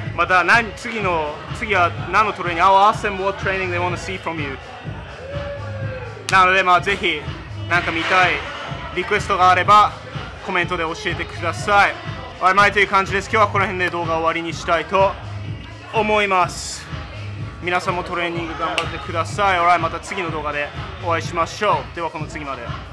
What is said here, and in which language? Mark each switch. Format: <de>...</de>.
<ja>また次は何のトレーニング?</ja> <en>I'll ask them what training they want to see from you.</en> <ja>なので、まあ、ぜひ。なんか見たいリクエストがあればコメントで教えてください。はい、前という感じです。今日はこの辺で動画を終わりにしたいと思います。皆さんもトレーニング頑張ってください。はい、また次の動画でお会いしましょう。ではこの次まで。</ja>